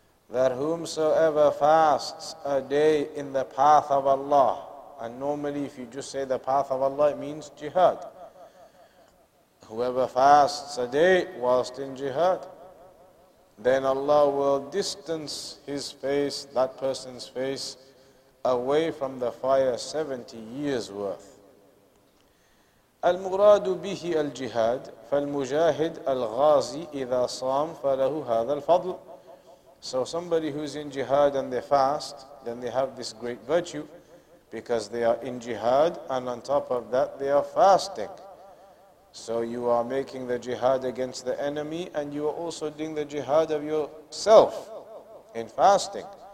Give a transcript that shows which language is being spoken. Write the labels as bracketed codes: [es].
[en] That whomsoever fasts a day in the path of Allah, and normally if you just say the path of Allah, it means jihad. Whoever fasts a day whilst in jihad, then Allah will distance his face, that person's face, away from the fire 70 years worth. [ar] المراد به الجهاد فالمجاهد الغازي إذا صام فله هذا الفضل. [en] So somebody who's in jihad and they fast, then they have this great virtue because they are in jihad and on top of that they are fasting. So you are making the jihad against the enemy and you are also doing the jihad of yourself in fasting.